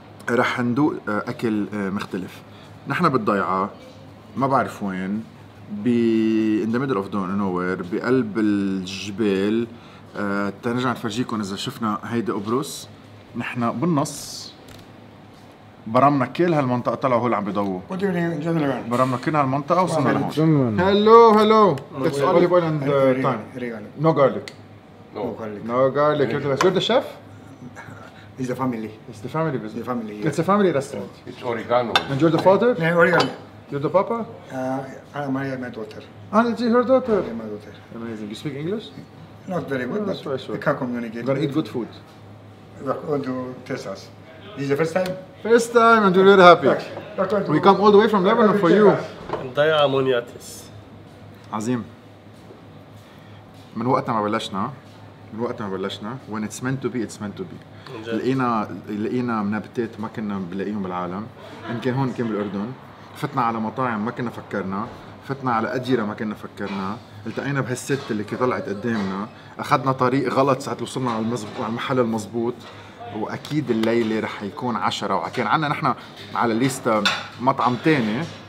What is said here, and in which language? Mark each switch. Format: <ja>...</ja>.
<ar>رح ندوق أكل مختلف. نحن بالضيعة ما بعرف وين،</ar> <en>in the middle of nowhere</en> <ar>بقلب الجبال، تنرجع نفرجيكم إذا شفنا هيدا أبروس. نحنا بالنص برمنا كل هالمنطقة، طلعوا هول عم بيضووا برمنا كل هالمنطقة وصلنا لهون.</ar> <en>Hello hello, it's olive oil and thyme. No garlic. No garlic. No garlic. You're the chef? It's the family. It's the family business. The family. Yeah. It's a family restaurant. It's oregano. And you're the father? Yeah, oregano. You're the papa? I'm Maria, my daughter. And it's your daughter? Yeah, my daughter. Amazing. You speak English? Not very good, but I can communicate. You're going to eat good food. We're going to test us. This is the first time? First time, and we're very happy. We come all the way from Lebanon for you. Daya Amuniatis. Azim.</en> <ar>من وقتنا ما بلشنا،</ar> <en>من وقتنا ما بلشنا، when it's meant to be, it's meant to be.</en> <ar>لقينا منبتات ما كنا بلاقيهم بالعالم، إن كان هون كان بالأردن، فتنا على مطاعم ما كنا فكرنا، فتنا على أديرة ما كنا فكرنا، التقينا بهالست اللي طلعت قدامنا، أخذنا طريق غلط ساعت وصلنا على المحل المزبوط. وأكيد الليلة رح يكون 10، وكان عنا نحن على ليستا مطعم تاني</ar>